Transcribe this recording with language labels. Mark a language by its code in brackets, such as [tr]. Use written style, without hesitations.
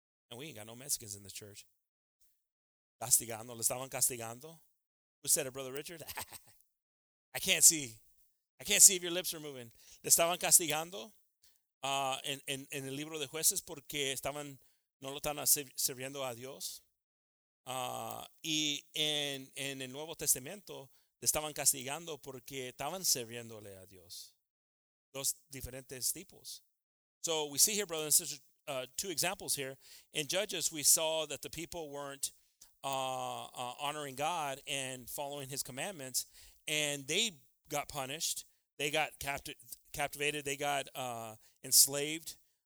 [en] And we ain't got no Mexicans in the church. [es] Castigando, le estaban castigando. [en] Who said it, Brother Richard? I can't see. I can't see if your lips are moving. [es] Le estaban castigando en el libro de jueces porque estaban, no lo están sirviendo a Dios. Y en el Nuevo Testamento le estaban castigando porque estaban sirviéndole a Dios. Dos diferentes tipos. [en] So we see here, brothers and sisters, two examples here. In Judges, we saw that the people weren't honoring God and following his commandments, and they got punished. They got captivated. They got enslaved.